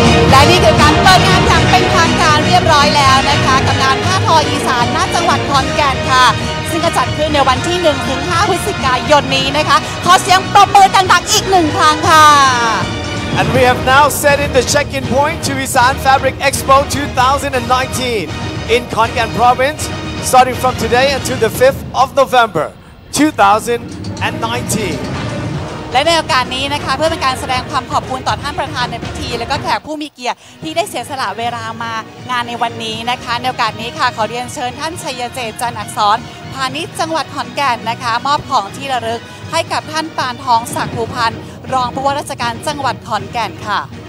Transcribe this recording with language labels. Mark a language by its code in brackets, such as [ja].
[th] และนี่คือการเปิดงานอย่างเป็นทางการเรียบร้อยแล้วนะคะกับงานผ้าทออีสานณจังหวัดขอนแก่นค่ะซึ่งจะจัดขึ้นในวันที่1-5พฤศจิกายนนี้นะคะขอเสียงปรบมือดังๆอีกหนึ่งครั้งค่ะ [en] And we have now set in the check-in point to Isan Fabric Expo 2019 in Khon Kaen Province, starting from today until the 5th of November 2019. [th] และในโอกาสนี้นะคะเพื่อเป็นการแสดงความขอบคุณต่อท่านประธานในพิธีและก็แขกผู้มีเกียรติที่ได้เสียสละเวลามางานในวันนี้นะคะในโอกาสนี้ค่ะขอเรียนเชิญท่านชัยเจตจันทร์อักษรพาณิชย์จังหวัดขอนแก่นนะคะมอบของที่ระลึกให้กับท่านปานทองศักดิ์ภูพันธ์รองผู้ว่าราชการจังหวัดขอนแก่นค่ะ